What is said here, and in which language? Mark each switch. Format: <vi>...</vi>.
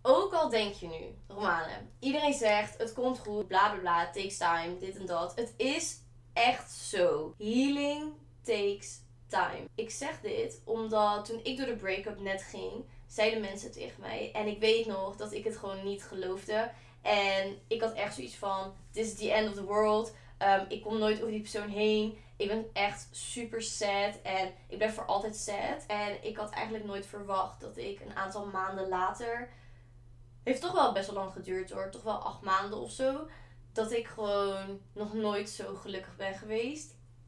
<nl>Ook al denk je nu, Romane, iedereen zegt het komt goed, bla bla bla,</nl> <en>takes time,</en> <nl>dit en dat. Het is echt zo.</nl> <en>Healing takes time.</en> <nl>Ik zeg dit omdat toen ik door de break-up net ging, zeiden mensen tegen mij. En ik weet nog dat ik het gewoon niet geloofde. En ik had echt zoiets van,</nl> <en>this is the end of the world.</en> <nl>Ik kom nooit over die persoon heen. Ik ben echt super sad en ik blijf voor altijd sad. En ik had eigenlijk nooit verwacht dat ik een aantal maanden later, heeft toch wel best wel lang geduurd hoor, toch wel 8 maanden of zo, dat ik gewoon nog nooit zo gelukkig ben geweest.</nl>